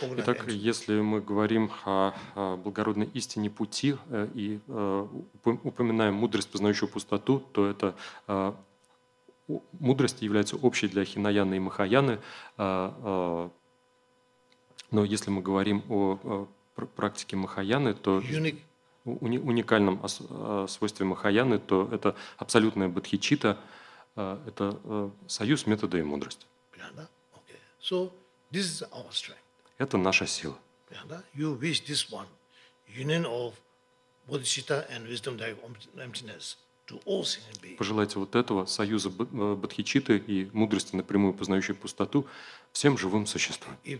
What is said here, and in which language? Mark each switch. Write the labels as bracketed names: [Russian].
[Russian] Итак, если мы говорим о благородной истине пути и упоминаем мудрость, познающую пустоту, то эта мудрость является общей для хинаяны и махаяны. Но если мы говорим о практике Махаяны, то уникальном свойстве Махаяны, то это абсолютная бодхичитта, это союз метода и мудрости. [English] Okay. So, this is our strength. [Russian] Это наша сила. [English] You wish this one, union of bodhicitta and wisdom emptiness. [Russian] Пожелайте вот этого союза бодхичитты и мудрости, напрямую познающей пустоту, всем живым существам.